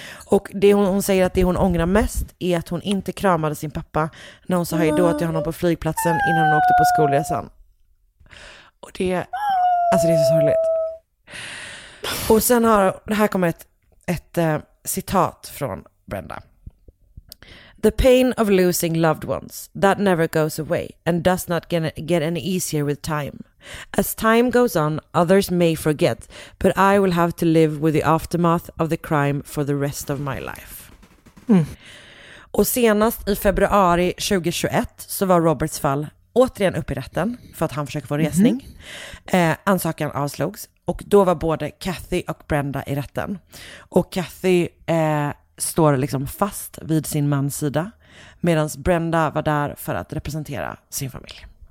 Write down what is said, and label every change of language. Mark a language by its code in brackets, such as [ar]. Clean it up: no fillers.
[sv] Och det hon säger att det hon ångrar mest är att hon inte kramade sin pappa när hon sa hej då till honom på flygplatsen innan hon åkte på skolresan. Och det, alltså det är så sorgligt. Och sen har, det här kommer ett citat från Brenda. [en] The pain of losing loved ones, that never goes away and does not get any easier with time. As time goes on, others may forget, but I will have to live with the aftermath of the crime for the rest of my life. [sv] Mm. Och senast i februari 2021 så var Roberts fall återigen upp i rätten för att han försökte få resning. Ansökan avslogs och då var både Kathy och Brenda i rätten. Och Kathy står liksom fast vid sin mans sida medan Brenda var där för att representera sin familj.